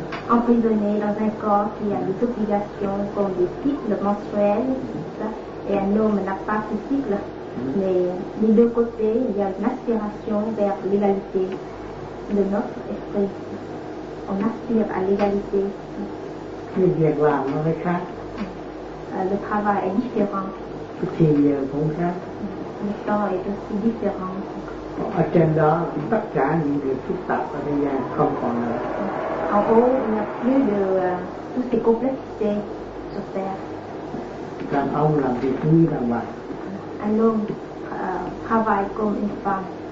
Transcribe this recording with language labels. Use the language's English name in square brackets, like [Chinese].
[French] Emprisonné dans un corps qui a des obligations comme des cycles menstruels, et un homme n'a pas ce cycle, mais des deux côtés, il y a une aspiration vers l'égalité de notre esprit. On aspire à l'égalité. Le travail est différent. Le temps est aussi différent. [Vietnamese] Ở trên đó thì tất cả những điều phức tạp ở thế gian không còn nữa. [French] En haut, il n'y a plus de toutes ces complexités sur terre. [Vietnamese] Đàn ông làm việc như đàn bà. [French] Un homme travaille comme une femme.